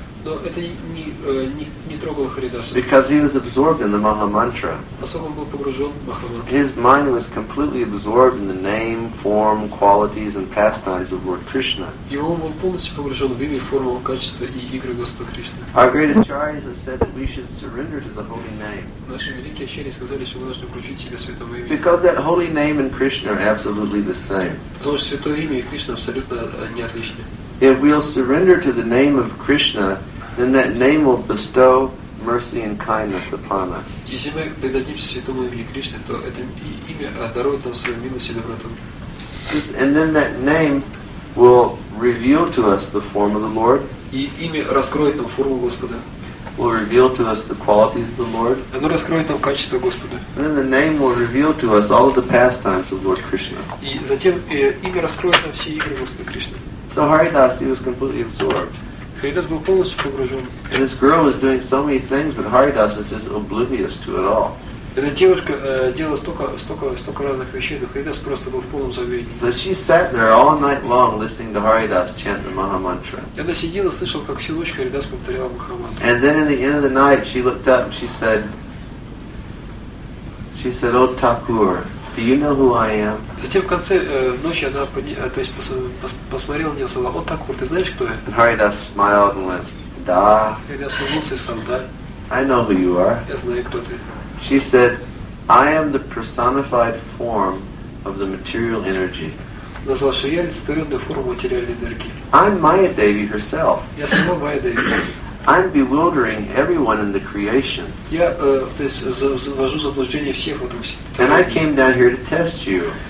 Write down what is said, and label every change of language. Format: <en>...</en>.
<ru>Но это не трогало Харидаса.</ru> <en>Because he was absorbed in the Maha Mantra.</en> <ru>Поскольку он был погружен в Маха Мантру.</ru> <en>His mind was completely absorbed in the name, form, qualities, and pastimes of Lord Krishna.</en> <ru>Его ум был полностью погружен в имя, форму, качество и игры Господа Кришны.</ru> <en>Our great acharyas have said that we should surrender to the holy name.</en> <ru>Наши великие ачарьи сказали, что мы должны включить себя в святое имя.</ru> <en>Because that holy name and Krishna are absolutely the same.</en> <ru>Потому что святое имя и Кришна абсолютно не отличны.</ru> <en>If we'll surrender to the name of Krishna, then that name will bestow mercy and kindness upon us.</en> <ru>Если мы предадимся святому имени Кришны, то это имя дарует нам свою милость и доброту.</ru> <en>And then that name will reveal to us the form of the Lord.</en> <ru>И имя раскроет нам форму Господа.</ru> <en>Will reveal to us the qualities of the Lord.</en> <ru>Оно раскроет нам качество Господа.</ru> <en>And then the name will reveal to us all of the pastimes of Lord Krishna.</en> <ru>И затем имя раскроет нам все игры Господа Кришны.</ru> <en>So Haridas, he was completely absorbed.</en> <ru>Haridas был полностью погружен.</ru> <en>And this girl was doing so many things, but Haridas was just oblivious to it all.</en> <ru>Эта девушка делала столько разных вещей, но Haridas просто был в полном забвении.</ru> <en>So she sat there all night long listening to Haridas chant the Maha Mantra.</en> <ru>И она сидела, слышала, как всю ночь Haridas повторял Маха Мантру.</ru> <en>And then in the end of the night, she looked up and she said, "O Thakur, do you know who I am?"</en> <ru>Затем в конце ночи она посмотрела на него и сказала, "О, Такур, ты знаешь, кто я?"</ru> <en>And Haridas smiled and went,</en> <ru>"Да." Haridas улыбнулся и сказал, "Да."</ru> <en>"I know who you are."</en> <ru>Я знаю, кто ты.</ru> <en>She said, "I am the personified form of the material energy."</en> <ru>Она сказала, что я олицетворенная форма материальной энергии.</ru> <en>"I'm Mayadevi herself."</en> <ru>Я сама Mayadevi.</ru> <en>"I'm bewildering everyone in the creation."</en> <ru>Я ввожу в заблуждение всех вокруг себя.</ru> <en>"And I came down here to test you."</en>